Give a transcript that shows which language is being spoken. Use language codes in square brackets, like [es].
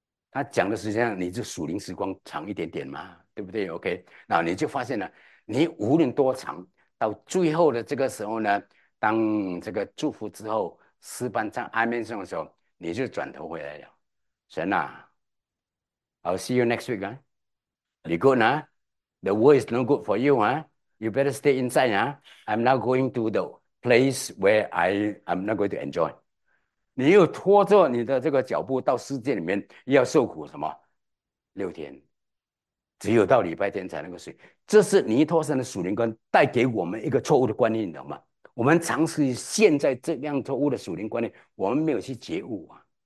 [zh] 他讲的时间，你就属灵时光长一点点嘛，对不对？OK，那你就发现了，你无论多长，到最后的这个时候呢，当这个祝福之后，诗班唱阿门颂的时候，你就转头回来了，神呐、啊。 [en] I'll see you next week, huh? You good, huh? The world is no good for you, huh? You better stay inside, huh? I'm not going to the place where I'm not going to enjoy. [zh] 你又拖着你的这个脚步到世界里面，要受苦什么？ 6天，只有到礼拜天才能够睡。这是尼托生的属灵观带给我们一个错误的观念，你懂吗？我们长期陷在这样错误的属灵观念，我们没有去觉悟啊。